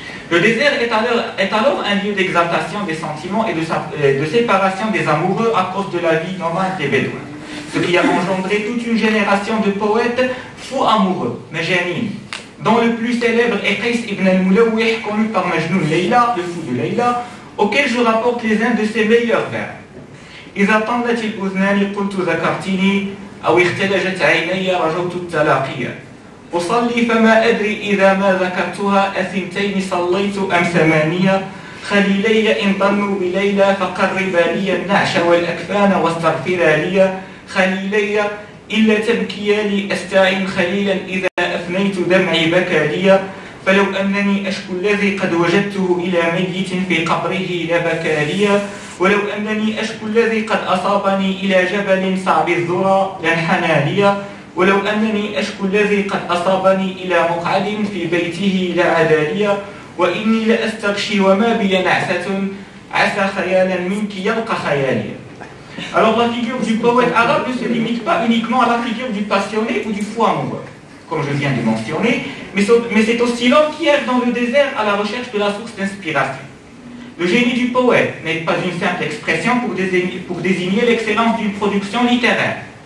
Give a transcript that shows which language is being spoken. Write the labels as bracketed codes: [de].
[fr] Le désert est alors un lieu d'exaltation des sentiments et de séparation des amoureux à cause de la vie nomade des Bédouins, ce qui a engendré toute une génération de poètes fous amoureux, Mejanin, dont le plus célèbre est Qays ibn al-Mulawih, connu par Majnun Leïla, le fou de Leïla, auquel je rapporte les uns de ses meilleurs vers. [ar] إذا طنت الأذنان قلت ذكرتني أو اختلجت عيني رجوت التلاقي أصلي فما أدري إذا ما ذكرتها أثنتين صليت أم ثمانية خليلي إن ضنوا بليلى فقربا لي النعش والأكفان واستغفرا لي خليلي إلا تبكياني أستعين خليلا إذا أفنيت دمعي بكى لي فلو أنني أشكو الذي قد وجدته إلى ميت في قبره لبكى لي ولو أنني أشكو الذي قد أصابني إلى جبل صعب الذرى لانحنى لي ولو أنني أشكو الذي قد أصابني إلى مقعد في بيته لعدا لي وإني لأستغشي وما بي نعسة عسى خيالا منك يبقى خيالي. [fr] Alors la figure du poète arabe ne se limite pas uniquement à la figure du passionné ou du fou amoureux, comme je viens de mentionner, mais c'est aussi l'homme qui erre dans le désert à la recherche de la source d'inspiration. Le génie du poète n'est pas une simple expression pour désigner l'excellence d'une production littéraire.